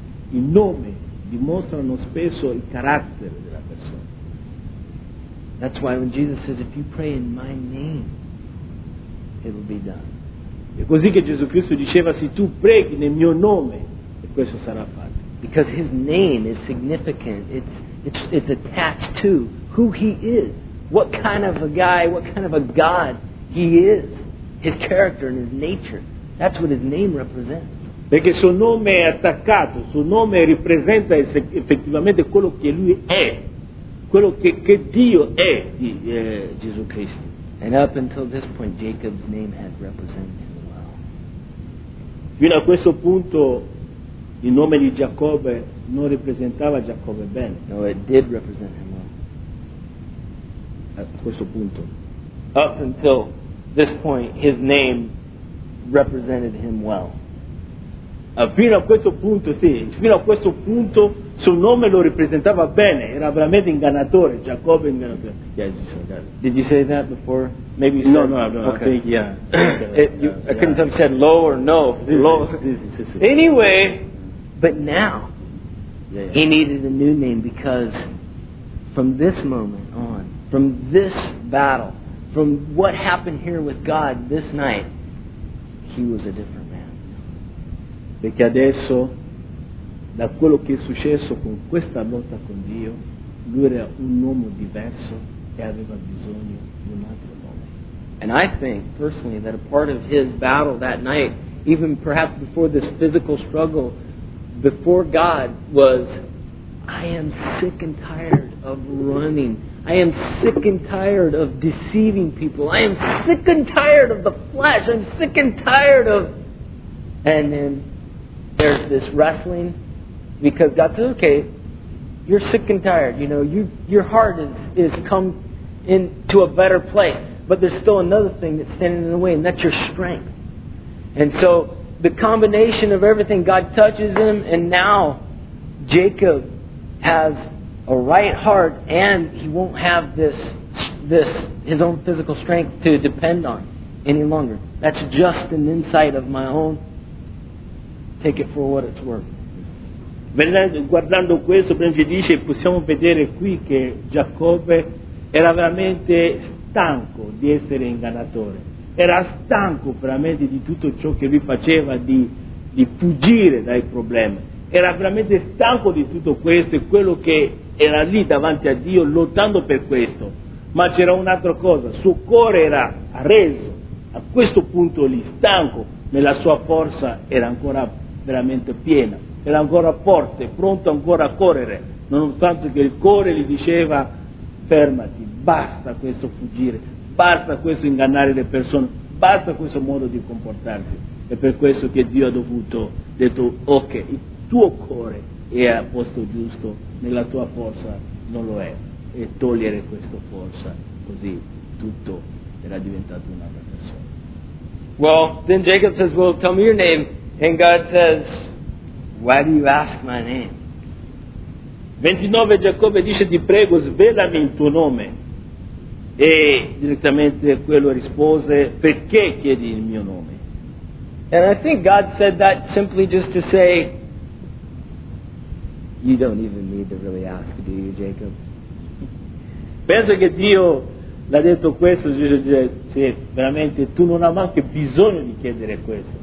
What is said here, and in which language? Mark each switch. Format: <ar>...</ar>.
<it>I nomi dimostrano spesso il carattere della persona.</it> <en>That's why when Jesus says, if you pray in my name, it will be done.</en> <it>È così che Gesù Cristo diceva, se tu preghi nel mio nome, questo sarà fatto.</it> <en>Because his name is significant. It's attached to who he is. What kind of a guy, what kind of a God he is. His character and his nature. That's what his name represents.</en> <it>Perché il suo nome è attaccato, il suo nome rappresenta effettivamente quello che lui è, quello che Dio è, Gesù Cristo.</it> <en>And up until this point, Jacob's name had represented him well.</en> <it>Fino a questo punto, il nome di Giacobbe non rappresentava Giacobbe bene.</it> <en>No, it did represent him well.</en> <it>A questo punto.</it> <en>Up until this point, his name represented him well.</en> <it>Fino a questo punto, sì, fino a questo punto, suo nome lo rappresentava bene. Era veramente ingannatore, Giacobbe ingannatore.</it> <en>Yes, did you say that before? Maybe no, no, no. Okay. I think, yeah. I couldn't tell if you said low or no. Low. Anyway, but now he needed a new name because from this moment on, from this battle, from what happened here with God this night, he was a different man. Perché adesso, da quello che è successo con questa lotta con Dio, lui era un uomo diverso e aveva bisogno di un altro nome. And I think, personally, that a part of his battle that night, even perhaps before this physical struggle, before God, was, I am sick and tired of running. I am sick and tired of deceiving people. I am sick and tired of the flesh. I'm sick and tired of... And then there's this wrestling, because God says, okay, you're sick and tired. You know, your heart is come into a better place. But there's still another thing that's standing in the way, and that's your strength. And so the combination of everything, God touches him, and now Jacob has a right heart, and he won't have this his own physical strength to depend on any longer. That's just an insight of my own. Take it for what it's worth.</en> <it>Guardando questo, Benji dice, possiamo vedere qui che Giacobbe era veramente stanco di essere ingannatore. Era stanco veramente di tutto ciò che lui faceva di fuggire dai problemi. Era veramente stanco di tutto questo e quello che era lì davanti a Dio lottando per questo. Ma c'era un'altra cosa, suo cuore era reso a questo punto lì, stanco, ma la sua forza era ancora veramente piena, era ancora forte, pronto ancora a correre, nonostante che il cuore gli diceva fermati, basta questo fuggire, basta questo ingannare le persone, basta questo modo di comportarsi. È per questo che Dio ha dovuto detto ok, tuo cuore è a posto giusto, nella tua forza non lo è, e togliere questa forza, così tutto era diventato un'altra persona.</it> <en>Well, then Jacob says, well, tell me your name. And God says, why do you ask my name?</en> <it>29, Giacobbe dice, ti prego, svelami il tuo nome. E direttamente quello rispose, perché chiedi il mio nome?</it> <en>And I think God said that simply just to say, you don't even need to really ask, do you, Jacob?</en> <it>Penso che Dio l'ha detto questo, dice, sì, veramente, tu non hai neanche bisogno di chiedere questo.</it>